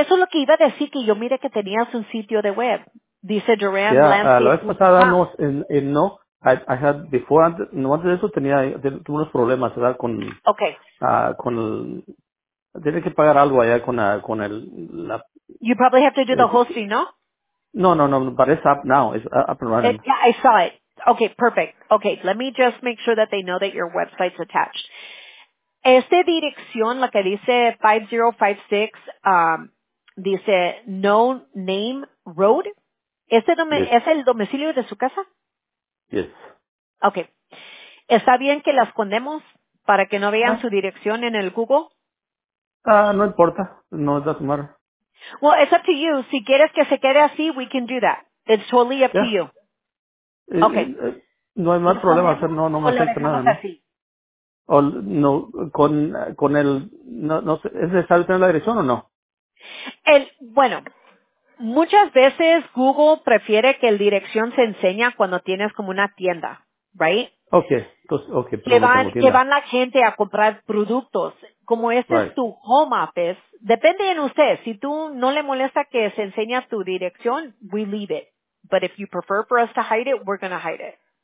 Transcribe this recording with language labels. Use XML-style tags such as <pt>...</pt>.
<es>Eso es lo que iba a decir, que yo mire que tenías un sitio de web. Dice Durán Landscaping. Ya, la vez pasada no.</es> <en>I had before,</en> <es>no antes de eso tenía, tuve unos problemas, ¿verdad? Con,</es> <en>okay.</en> <es>Con el, tiene que pagar algo allá con el, la.</es> <en>You probably have to do the hosting, ¿no? No, but it's up now, it's up and running. Yeah, I saw it. Okay, perfect. Okay, let me just make sure that they know that your website's attached.</en> <es>Esta dirección, la que dice 5056, dice No Name Road, ¿es el domicilio de su casa?</es> <en>Yes. Okay.</en> <es>¿Está bien que la escondemos para que no vean su dirección en el Google? No importa. No es de tomar. Well, it's up to you. Si quieres que se quede así, we can do that. It's totally up to you. Okay. No hay más problema. No me afecta nada. ¿No? No, con el, no sé, ¿es necesario tener la dirección o no? Muchas veces Google prefiere que la dirección se enseña cuando tienes como una tienda, right? Okay. Pero que van la gente a comprar productos. Como este right. es tu home office, depende en usted. Si tú no le molesta que se enseñe tu dirección,</es> <en>we leave it. But if you prefer for us to hide it, we're going to hide it.</en>